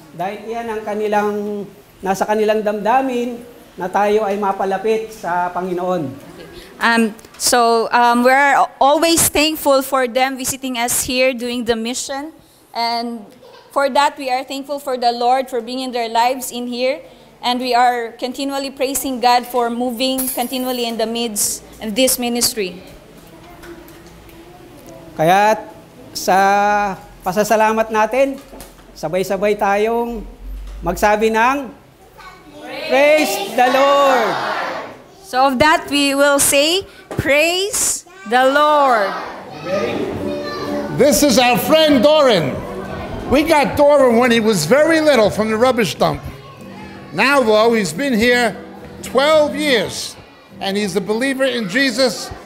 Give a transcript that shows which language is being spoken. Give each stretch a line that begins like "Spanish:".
Filipino: Dahil iyan ang kanilang nasa kanilang damdamin na tayo ay mapalapit sa Panginoon.
English: So we are always thankful for them visiting us here doing the mission. And for that, we are thankful for the Lord for being in their lives in here. And we are continually praising God for moving continually in the midst in this ministry.
Filipino: Kaya sa pasasalamat natin, sabay-sabay tayong magsabi ng
English: Praise the Lord! So of that, we will say, Praise the Lord! This is our friend Doran. We got Doran when he was very little from the rubbish dump. Now though, he's been here 12 years and he's a believer in Jesus.